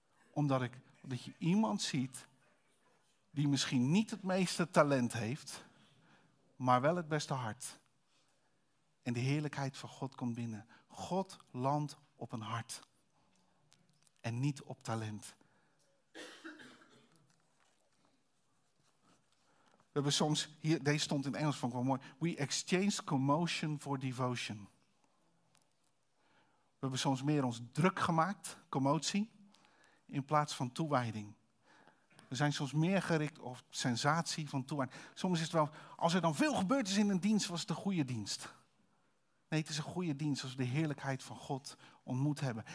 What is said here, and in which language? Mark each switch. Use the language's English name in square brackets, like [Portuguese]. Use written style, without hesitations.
[Dutch] Omdat je iemand ziet die misschien niet het meeste talent heeft, maar wel het beste hart. En de heerlijkheid van God komt binnen. God landt op een hart. En niet op talent. We hebben soms, hier, deze stond in Engels, vond ik wel mooi. [English] We exchanged commotion for devotion. [Dutch] We hebben soms meer ons druk gemaakt, commotie, in plaats van toewijding. We zijn soms meer gericht op sensatie van toewijding. Soms is het wel, als er dan veel gebeurd is in een dienst, was het een goede dienst. Nee, het is een goede dienst als we de heerlijkheid van God ontmoet hebben.